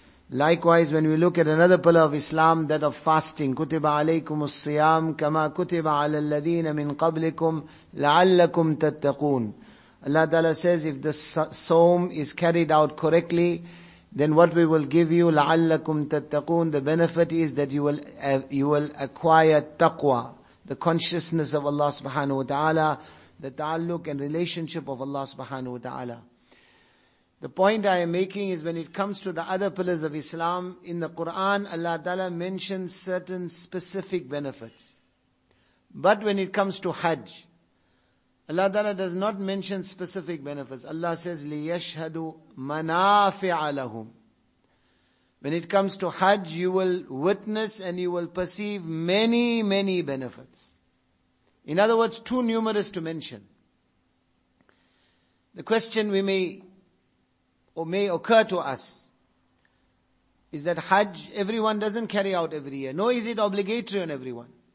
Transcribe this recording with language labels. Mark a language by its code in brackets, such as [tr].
[en] Likewise, when we look at another pillar of Islam, that of fasting, [ar] كُتِبَ عَلَيْكُمُ الصِّيَامُ كَمَا كُتِبَ عَلَى الَّذِينَ مِنْ قَبْلِكُمْ لَعَلَّكُمْ تَتَّقُونَ, [en] Allah Ta'ala says, if the sawm is carried out correctly, then what we will give you, [ar] لَعَلَّكُمْ تَتَّقُونَ, [en] the benefit is that you will acquire taqwa, the consciousness of Allah subhanahu wa ta'ala, the ta'alluq and relationship of Allah subhanahu wa ta'ala. The point I am making is when it comes to the other pillars of Islam, in the Quran, Allah Ta'ala mentions certain specific benefits. But when it comes to Hajj, Allah Ta'ala does not mention specific benefits. Allah says, [ar] لِيَشْهَدُ مَنَافِعَ لَهُمْ. [en] When it comes to Hajj, you will witness and you will perceive many, many benefits. In other words, too numerous to mention. The question we may or may occur to us is that Hajj, everyone doesn't carry out every year, nor is it obligatory on everyone.